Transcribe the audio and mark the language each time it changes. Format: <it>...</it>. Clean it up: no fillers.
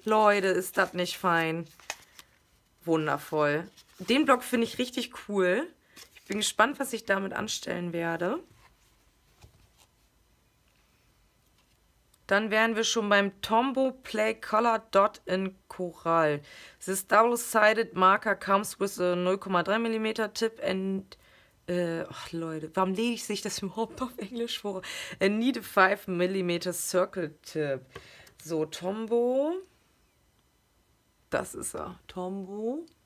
<de>Leute, ist das nicht fein. Wundervoll. Den Block finde ich richtig cool. Ich bin gespannt, was ich damit anstellen werde. Dann wären wir schon beim Tombow Play Color Dot in Coral.</de> <en>This double-sided marker comes with a 0,3mm tip and...</en> <de>ach Leute, warum lege ich sich das überhaupt auf Englisch vor?</de> <en>And need a 5mm circle tip. So, Tombow.</en> <de>Das ist er.</de> <en>Tombow.</en>